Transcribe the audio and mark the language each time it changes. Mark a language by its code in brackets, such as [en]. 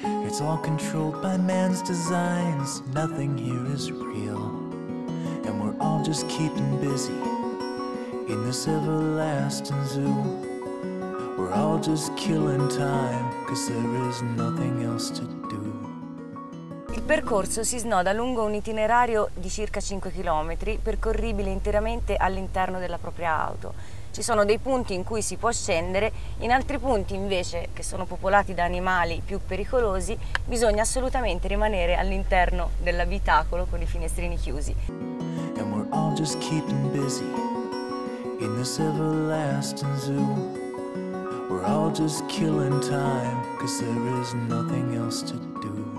[en] It's all controlled by man's designs. Nothing here is real. And we're all just keeping busy in this everlasting zoo. We're all just killing time, 'cause there is nothing else to do. [it] Il percorso si snoda lungo un itinerario di circa 5 km, percorribile interamente all'interno della propria auto. Ci sono dei punti in cui si può scendere, in altri punti invece, che sono popolati da animali più pericolosi, bisogna assolutamente rimanere all'interno dell'abitacolo con i finestrini chiusi. [en] And we're all just keeping busy in this everlasting zoo. We're all just killing time, 'cause there is nothing else to do.